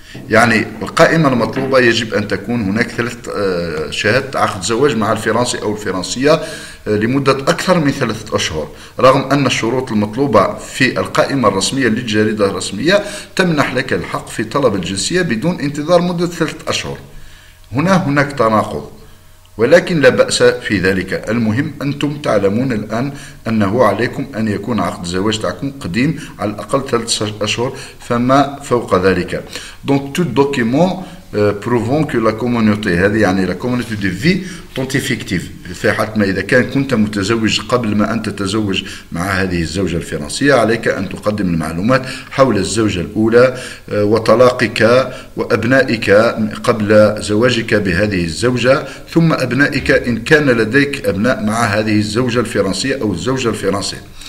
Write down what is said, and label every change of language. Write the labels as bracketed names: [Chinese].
[Arabic] يعني القائمة المطلوبة يجب أن تكون هناك ثلاث شهادة عقد زواج مع الفرنسي أو الفرنسية لمدة أكثر من 3 أشهر، رغم أن الشروط المطلوبة في القائمة الرسمية للجريدة الرسمية تمنح لك الحق في طلب الجنسية بدون انتظار مدة 3 أشهر. هناك تناقض، ولكن لا بأس في ذلك. المهم أنتم تعلمون الآن أنه عليكم أن يكون عقد الزواج تاعكم قديم على الأقل 3 أشهر فما فوق ذلك. [French] Donc tout document prouvant que la communauté [Arabic] هذه يعني [French] la communauté de vie sont effectives. [Arabic] حتما إذا كان كنت متزوج قبل ما أن تتزوج مع هذه الزوجة الفرنسية عليك أن تقدم المعلومات حول الزوجة الأولى وطلاقك وأبنائك قبل زواجك بهذه الزوجة، ثم أبنائك إن كان لديك أبناء مع هذه الزوجة الفرنسية أو الزوجة الفرنسية.